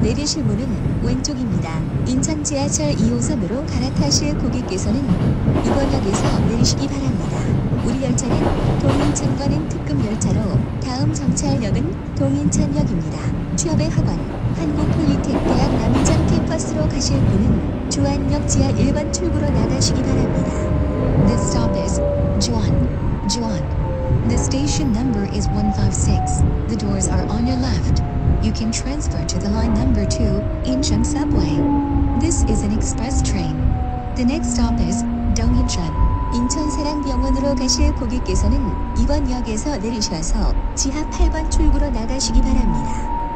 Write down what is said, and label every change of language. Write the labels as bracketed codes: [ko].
[ko] 내리실 문은 왼쪽입니다. 인천 지하철 2호선으로 갈아타실 고객께서는 이번 역에서 내리시기 바랍니다. 우리 열차는 동인천과는 특급 열차로 다음 정찰역은 동인천역입니다. 취업의 학원 한국폴리텍대학 남인천 캠퍼스로 가실 분은 주안역 지하 1번 출구로 나가시기 바랍니다. [en] This stop is 주안, 주안. The station number is 156. The doors are on your left. You can transfer to the line number 2, Incheon Subway. This is an express train. The next stop is Dongincheon. [ko] 인천사랑병원으로 가실 고객께서는 이번 역에서 내리셔서 지하 8번 출구로 나가시기 바랍니다.